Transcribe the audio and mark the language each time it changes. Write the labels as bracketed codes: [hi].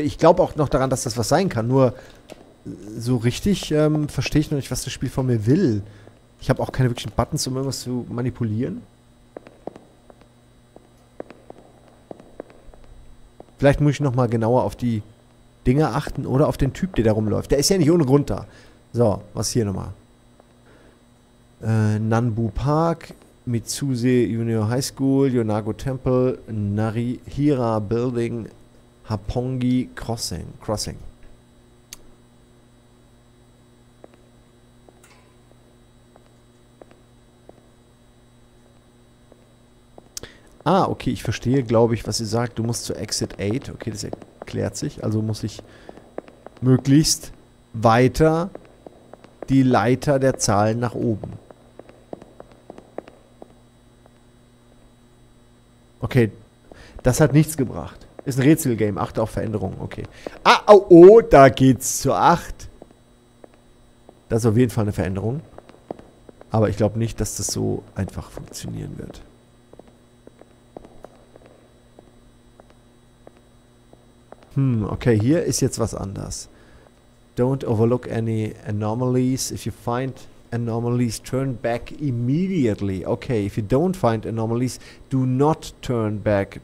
[de] Ich glaube auch noch daran, dass das was sein kann. Nur so richtig verstehe ich noch nicht, was das Spiel von mir will. Ich habe auch keine wirklichen Buttons, um irgendwas zu manipulieren. Vielleicht muss ich noch mal genauer auf die Dinge achten oder auf den Typ, der da rumläuft. Der ist ja nicht ohne Grund da. So, was hier nochmal? Nanbu Park... Mitsuse Junior High School, Yonago Temple, Narihira Building, Hapongi Crossing. Ah, okay, ich verstehe, glaube ich, was ihr sagt. Du musst zu Exit 8. Okay, das klärt sich. Also muss ich möglichst weiter die Leiter der Zahlen nach oben. Okay. Das hat nichts gebracht. Ist ein Rätselgame. Achte auf Veränderungen. Okay. Ah, oh, oh, da geht's zur 8. Das ist auf jeden Fall eine Veränderung. Aber ich glaube nicht, dass das so einfach funktionieren wird. Hm, okay, hier ist jetzt was anders. [en] Don't overlook any anomalies. If you find anomalies, turn back immediately. Okay, if you don't find anomalies, do not turn back.